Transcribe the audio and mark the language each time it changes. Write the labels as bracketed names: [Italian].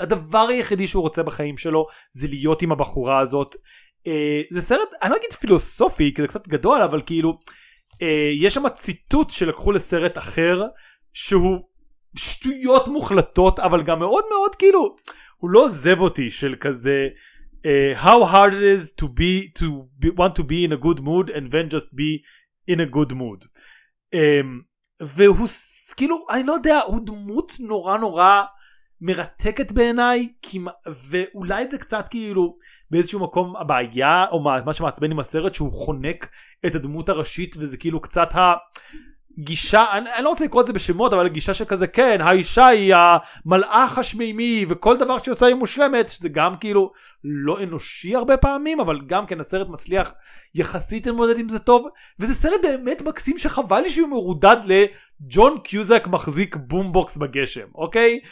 [Hebrew] הדבר היחידי שהוא רוצה בחיים שלו, זה להיות עם הבחורה הזאת. זה סרט, אני לא אגיד פילוסופי, כי זה קצת גדול, אבל כאילו, יש שם ציטוט שלקחו לסרט אחר, שהוא שטויות מוחלטות, אבל גם מאוד מאוד, כאילו, הוא לא עוזב אותי של כזה... [English] how hard it is to want to be in a good mood and then just be in a good mood. [Hebrew] והוא, כאילו, אני לא יודע, הוא דמות נורא נורא מרתקת בעיניי, כי, ואולי זה קצת כאילו, באיזשהו מקום, הבעיה, או מה, מה שמעצבן עם הסרט, שהוא חונק את הדמות הראשית, וזה כאילו קצת הגישה, אני לא רוצה לקרוא את זה בשמות, אבל הגישה שכזה, כן, האישה היא המלאך השמימי, וכל דבר שהיא עושה היא מושלמת, שזה גם כאילו, לא אנושי הרבה פעמים, אבל גם כן הסרט מצליח יחסית למודד עם זה טוב, וזה סרט באמת מקסים שחבל לי שהוא מרודד לג'ון קיוזק מחזיק בומבוקס בגשם, אוקיי?